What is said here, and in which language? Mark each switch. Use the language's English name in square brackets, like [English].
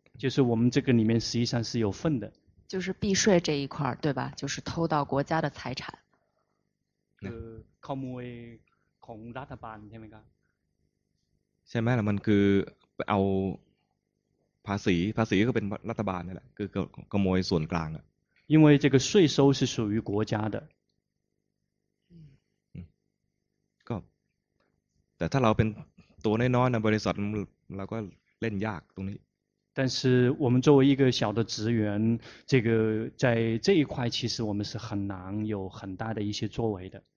[Chinese] 就是我们这个里面实际上是有份的。就是避税这一块，对吧？就是偷到国家的财产。 [Thai] ขโมยของรัฐบาลใช่ไหมครับ？ ใช่ไหมล่ะ มันคือเอาภาษีก็เป็นรัฐบาลนี่แหละ คือขโมยส่วนกลางอะ [Chinese] 因为这个税收是属于国家的。 [Thai] 嗯，ก็แต่ถ้าเราเป็นตัวน้อยๆในบริษัทเราก็เล่นยากตรงนี้。 [Chinese] 但是我们作为一个小的职员，这个在这一块其实我们是很难有很大的一些作为的。